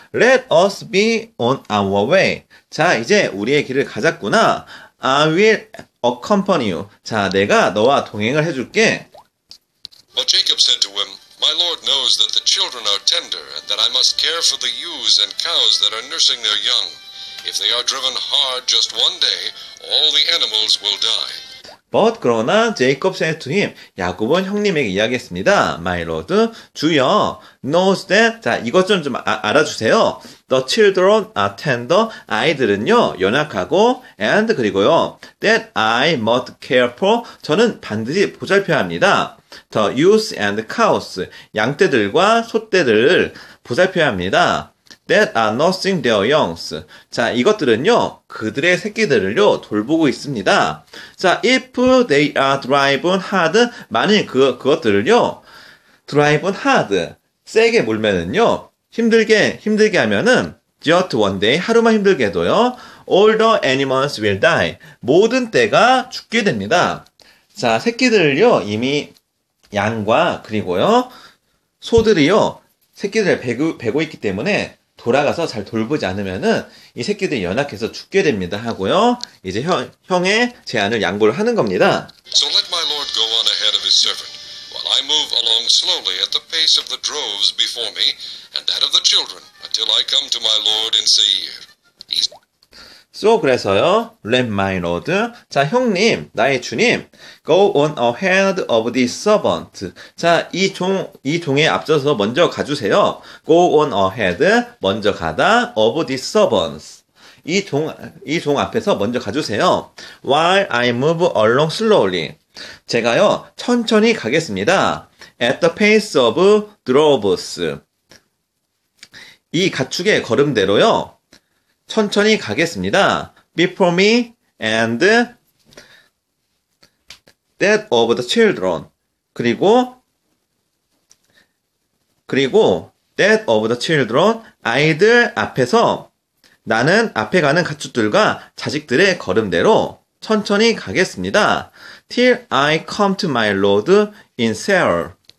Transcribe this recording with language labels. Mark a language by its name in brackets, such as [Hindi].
[English] Let us be on our way. [Korean] 자, 이제 우리의 길을 가자꾸나. [English] I will accompany you. [Korean] 자, 내가 너와 동행을 해줄게. [English] But Jacob said to him, My Lord knows that the children are tender and that I must care for the ewes and cows that are nursing their young. If they are driven hard just one day, all the animals will die. But [Korean] 그러나 [English] Jacob said to him, [Korean] 야곱은 형님에게 이야기했습니다. [English] My Lord, [Korean] 주여, [English] knows that, [Korean] 자, 이것 좀 알아주세요. [English] The children are tender, [Korean] 아이들은요, 연약하고, [English] and [Korean] 그리고요, [English] that I must care for, [Korean] 저는 반드시 보살펴야 합니다. [English] The ewes and cows, [Korean] 양떼들과 소떼들을 보살펴야 합니다. [English] That are nursing their youngs. [Korean] 자, 이것들은요, 그들의 새끼들을요, 돌보고 있습니다. [English] 자, if they are driven hard, [Korean] 만일 그것들을요, [English] driven hard, [Korean] 세게 몰면은요, 힘들게 하면은, [English] just one day, [Korean] 하루만 힘들게 해도요, [English] all the animals will die. [Korean] 모든 떼가 죽게 됩니다. 자, 새끼들을요, 이미 양과 그리고요, 소들이요, 새끼들을 베고 있기 때문에, 돌아가서 잘 돌보지 않으면은 이 새끼들 연약해서 죽게 됩니다 하고요. 이제 형의 제안을 양보를 하는 겁니다. [English] So let my lord go on ahead of his servant while I move along slowly at the pace of the droves before me and that of the children until I come to my lord in Seir. So [Korean] 그래서요. [English] Let my lord. [Korean] 자, 형님, 나의 주님. [English] Go on ahead of this servant. [Korean] 자, 이 종의 앞서서 먼저 가주세요. [English] Go on ahead. [Korean] 먼저 가다. [English] Of this servant. [Korean] 이 종 앞에서 먼저 가주세요. [English] While I move along slowly. [Korean] 제가요. 천천히 가겠습니다. [English] At the pace of droves. [Korean] 이 가축의 걸음대로요. 천천히 가겠습니다. [English] Before me and that of the children. [Korean] 그리고 [English] that of the children. [Korean] 아이들 앞에서 나는 앞에 가는 가축들과 자식들의 걸음대로 천천히 가겠습니다. [English] Till I come to my lord in Seir.